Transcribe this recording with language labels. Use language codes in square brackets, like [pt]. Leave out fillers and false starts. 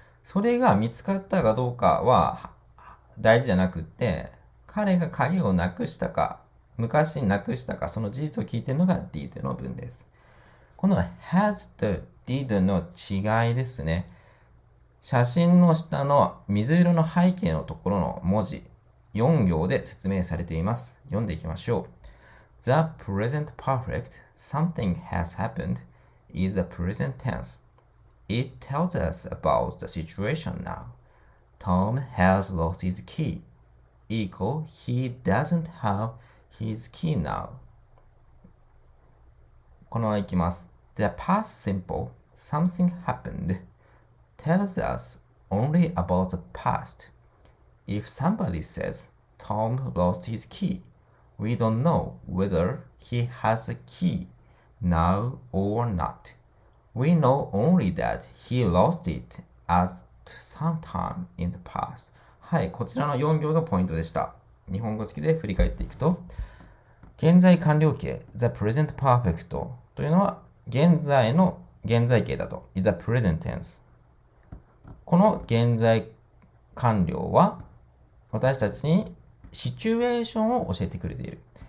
[ja] それが見つかったかどうかは大事じゃなくて、彼が鍵をなくしたか、昔なくしたか、その事実を聞いているのが did の文です。この has と did の違いですね。写真の下の水色の背景のところの文字、4行で説明されています。読んでいきましょう。 [en] The present perfect, something has happened, is a present tense. It tells us about the situation now. Tom has lost his key, equal he doesn't have his key now. [ja] このままいきます。 [en] The past simple, something happened, tells us only about the past. If somebody says Tom lost his key, we don't know whether he has a key now or not. We know only that he lost it at some time in the past. [ja] はい、こちらの4行がポイントでした。日本語好きで振り返っていくと、現在完了形、the present perfect というのは、現在の現在形だと、 [en] is a present tense。 [ja] この現在完了は、私たちにシチュエーションを教えてくれている。